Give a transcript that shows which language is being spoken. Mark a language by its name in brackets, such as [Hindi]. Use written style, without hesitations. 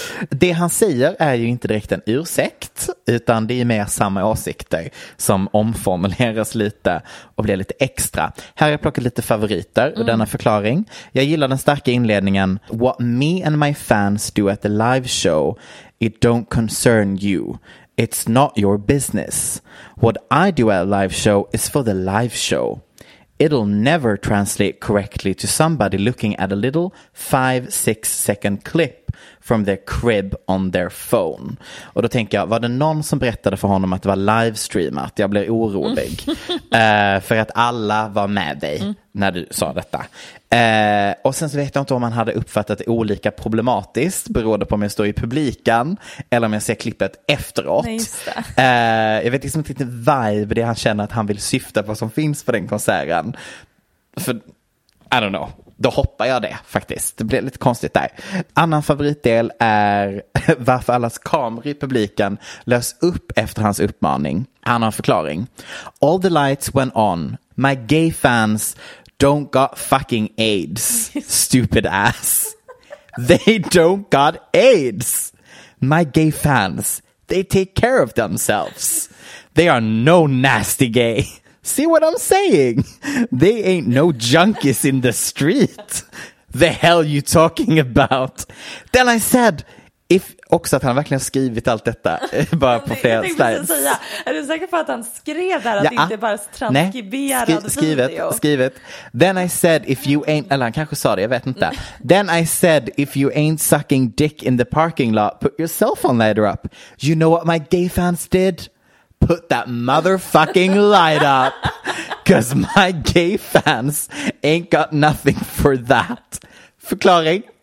[Swedish] Det han säger är ju inte direkt en ursäkt, utan det är mer samma åsikter som omformuleras lite och blir lite extra. Här har jag plockat lite favoriter och denna förklaring. Jag gillar den starka inledningen. [English] What me and my fans do at the live show, it don't concern you. It's not your business. What I do at a live show is for the live show. It'll never translate correctly to somebody looking at a little 5-6 second clip from their crib on their phone. [Swedish] Och då tänker jag, var det någon som berättade för honom att det var livestreamat? Jag blir orolig. För att alla var med dig när du sa detta. Och sen så vet jag inte om han hade uppfattat det olika problematiskt beroende på om jag står i publiken eller om jag ser klippet efteråt. Nej, jag vet liksom inte riktigt vibe det han känner att han vill syfta på vad som finns på den konserten. För, [English] I don't know. [Swedish] Då hoppar jag det faktiskt. Det blir lite konstigt där. Annan favoritdel är varför allas kameror i publiken lös upp efter hans uppmaning. Han har en förklaring. [English] All the lights went on. My gay fans don't got fucking AIDS. Stupid ass. They don't got AIDS. My gay fans, they take care of themselves. They are no nasty gay. See what I'm saying? They ain't no junkies in the street. The hell you talking about? Then I said, if... [Swedish] Också att han verkligen skrivit allt detta bara på fel jag styles. Precis säga, är du säker på att han skrev där? Ja, att det inte bara transkriberad video? Skrivet. [English] Then I said, if you ain't... [Swedish] Eller han kanske sa det, jag vet inte. [English] Then I said, if you ain't sucking dick in the parking lot, put your cell phone lighter up. You know what my gay fans did? Put that motherfucking light up. Cause my gay fans ain't got nothing for that. [Swedish] Förklaring.